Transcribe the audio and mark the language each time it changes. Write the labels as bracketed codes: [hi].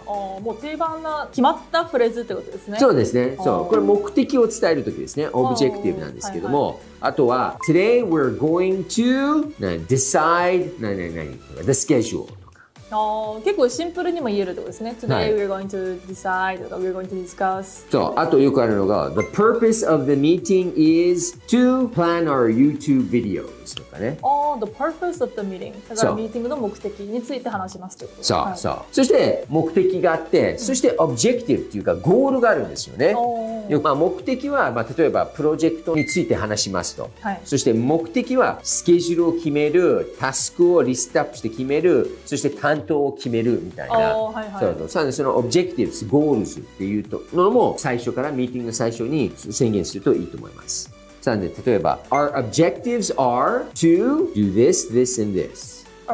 [ja] うん、はいはい、ああ、もう定番な決まったフレーズってことですね。そうですね。そう、これ目的を伝えるときですね。オブジェクティブなんですけども、はいはい、あとは [en] Today we're going to decide 何the schedule。 [ja] 結構シンプルにも言えるってことですね。 [en] Today we're going to decide [ja] とか [en] we're going to discuss。 [ja] そう、あとよくあるのが [en] The purpose of the meeting is to plan our YouTube videos [ja] とかね。 [en] The purpose of the meeting。 [ja] だからミーティングの目的について話しますということ。そう、はい、そう。そして目的があって、そして objective っていうかゴールがあるんですよね。おー、まあ、目的は、まあ、例えばプロジェクトについて話しますと、はい。そして目的はスケジュールを決める、タスクをリストアップして決める、そして担当を決めるみたいな、はいはい、そうそうそう、そのオブジェクティブス、ゴールズっていうのも最初からミーティングの最初に宣言するといいと思います。さあ、例えば [en] Our objectives are to do this, this and this.